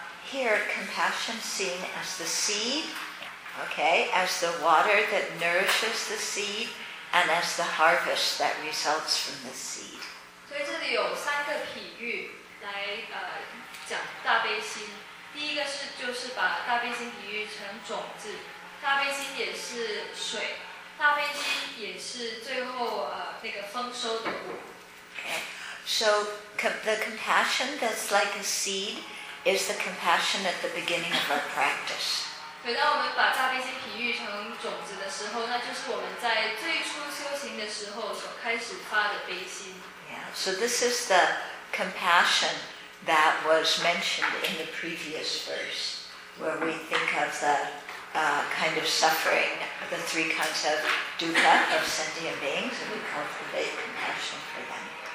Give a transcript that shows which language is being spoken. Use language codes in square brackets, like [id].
[en] Here, compassion seen as the seed, okay, as the water that nourishes the seed, and as the harvest that results from the seed. [zh] 所以这里有三个比喻来讲大悲心。第一个是就是把大悲心比喻成种子，大悲心也是水，大悲心也是最后那个丰收的果。 [en] Okay, so the compassion that's like a seed. Is the compassion at the beginning of our practice? [zh] 对，当我们把大悲心比喻成种子的时候，那就是我们在最初修行的时候所开始发的悲心。 [en] Yeah. So this is the compassion that was mentioned in the previous verse, where we think of the kind of suffering, the three kinds of dukkha of sentient beings, and we cultivate compassion for them.